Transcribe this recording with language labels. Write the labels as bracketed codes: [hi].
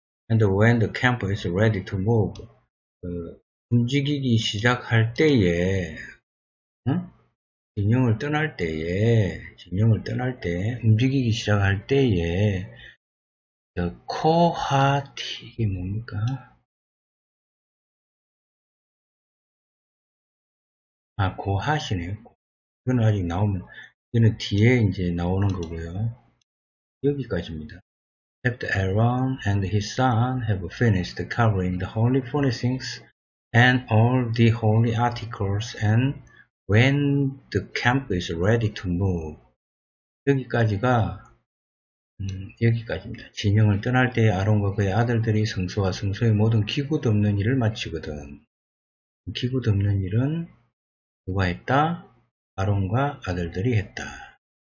[en] And when the camp is ready to move, [ko] 움직이기 시작할 때에, 진영을 떠날 때에, 진영을 떠날 때, 움직이기 시작할 때에, [en] the Kohat [ko] 이게 뭡니까? 아, Kohat이네요. 이건 아직 나오면, 이거는 뒤에 이제 나오는 거고요. 여기까지입니다. [en] After Aaron and his son have finished covering the holy furnishings and all the holy articles and when the camp is ready to move. [ko] 여기까지가 여기까지입니다. 진영을 떠날 때 아론과 그의 아들들이 성소와 성소의 모든 기구 덮는 일을 마치거든. 기구 덮는 일은 누가 했다? 아론과 아들들이 했다.